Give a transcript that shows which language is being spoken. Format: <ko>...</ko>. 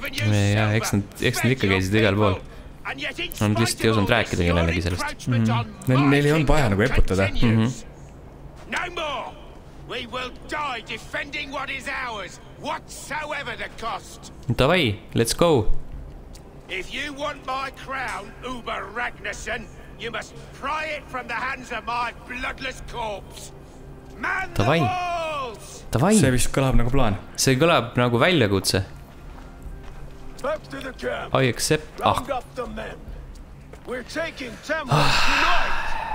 <et>Jaa, eks nad ikka käisid igal pool. Nad lihtsalt ei osanud rääkida kellelegi sellest. Neil ei olnud vaja nagu eputada.</et> <en>No more! We will die defending what is ours, whatsoever the cost.</en> <ru>Davai,</ru> <en>let's go. If you want my crown, Uber Ragnarsson, you must pry it from the hands of my bloodless corpse. Man the walls!</en> <ru>Davai.</ru> <et>See vist kõlab nagu plaan. See kõlab nagu väljakutse.</et> <en>Back to the camp. I accept. Round up the men. We're taking Tamworth tonight.</en>